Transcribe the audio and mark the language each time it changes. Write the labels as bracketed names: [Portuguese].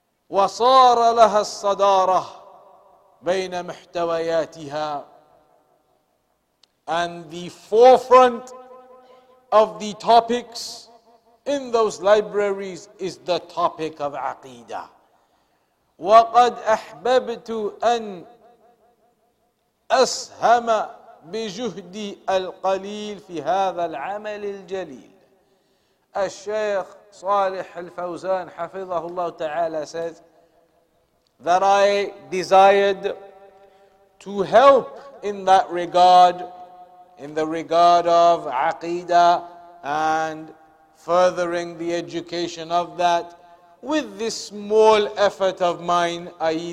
[Arabic] وَصَارَ لَهَا الصَّدَارَةَ بَيْنَ مُحْتَوَيَاتِهَا. [English] And the forefront of the topics in those libraries is the topic of aqidah. [Arabic] وَقَدْ أَحْبَبْتُ أَنْ أَسْهَمَ بِجُهْدِي الْقَلِيلِ فِي هَذَا الْعَمَلِ الْجَلِيلِ. الشيخ صالح الفوزان حفظه الله تعالى says, [English] that I desired to help in that regard, in the regard of aqidah and furthering the education of that, with this small effort of mine, i.e.